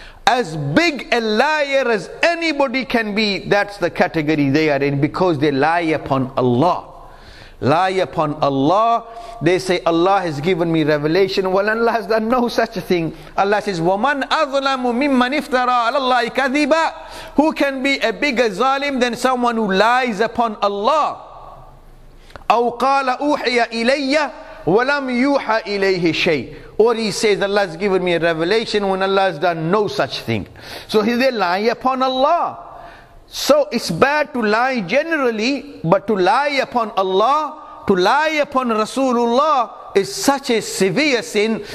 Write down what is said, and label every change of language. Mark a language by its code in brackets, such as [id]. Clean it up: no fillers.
[en] As big a liar as anybody can be, that's the category they are in, because they lie upon Allah. Lie upon Allah. They say, Allah has given me revelation. Well, Allah has done no such a thing. Allah says, [ar] وَمَنْ أَظْلَمُ مِمَّنْ افْتَرَى عَلَى اللَّهِ كَذِبًا. [en] Who can be a bigger zalim than someone who lies upon Allah? [ar] أَوْ قَالَ أُوحِيَ إِلَيَّ وَلَمْ يُوحَ إِلَيْهِ شَيْءٍ. [en] Or he says, Allah has given me a revelation, when Allah has done no such thing. So they lie upon Allah. So it's bad to lie generally, but to lie upon Allah, to lie upon Rasulullah, is such a severe sin.